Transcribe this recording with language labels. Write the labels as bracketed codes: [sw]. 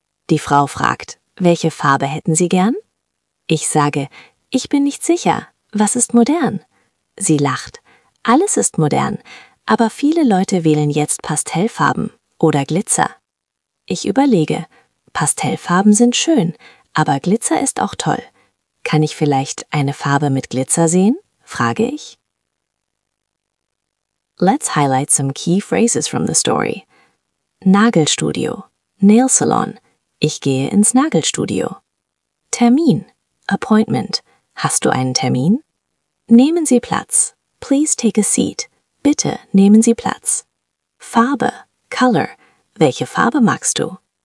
[de] Die Frau fragt, welche Farbe hätten Sie gern? Ich sage, ich bin nicht sicher. Was ist modern? Sie lacht. Alles ist modern, aber viele Leute wählen jetzt Pastellfarben oder Glitzer. Ich überlege, Pastellfarben sind schön, aber Glitzer ist auch toll. Kann ich vielleicht eine Farbe mit Glitzer sehen? Frage ich. [en] Let's highlight some key phrases from the story. [de] Nagelstudio, [en] Nail Salon. [de] Ich gehe ins Nagelstudio. Termin, Appointment. Hast du einen Termin? Nehmen Sie Platz. [en] Please take a seat. [de] Bitte nehmen Sie Platz. Farbe, Color. Welche Farbe magst du?